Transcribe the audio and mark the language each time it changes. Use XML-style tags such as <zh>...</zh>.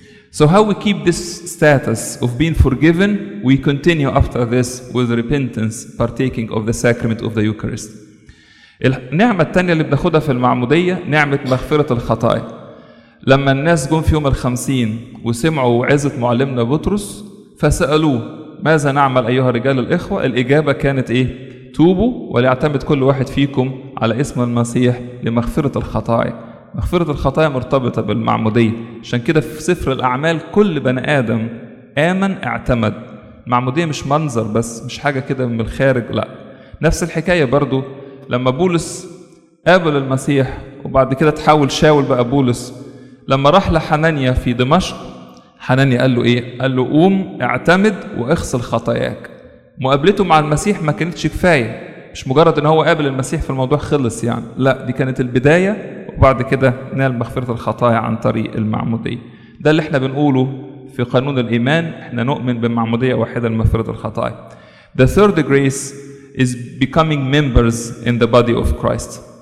<en>So how we keep this status of being forgiven? We continue after this with repentance, partaking of the sacrament of the Eucharist.</en> <ar>النعمة التانية اللي بناخدها في المعمودية نعمة مغفرة الخطايا. لما الناس جم في يوم الخمسين وسمعوا وعظة معلمنا بطرس فسألوه ماذا نعمل أيها الرجال الإخوة؟ الإجابة كانت إيه؟ توبوا وليعتمد كل واحد فيكم على اسم المسيح لمغفرة الخطايا. مغفرة الخطايا مرتبطة بالمعمودية, عشان كده في سفر الأعمال كل بني آدم آمن اعتمد. المعمودية مش منظر بس, مش حاجة كده من الخارج, لا. نفس الحكاية برضو لما بولس قابل المسيح وبعد كده تحول شاول بقى بولس, لما راح لحنانيا في دمشق حنانيا قال له ايه؟ قال له قوم اعتمد واغسل خطاياك. مقابلته مع المسيح ما كانتش كفاية, مش مجرد ان هو قابل المسيح في الموضوع خلص يعني, لا, دي كانت البداية وبعد كده نال مغفرة الخطايا عن طريق المعمودية. ده اللي احنا بنقوله في قانون الإيمان, احنا نؤمن بمعمودية واحدة لمغفرة الخطايا.</ar> <en>The third grace is becoming members in the body of Christ.</en>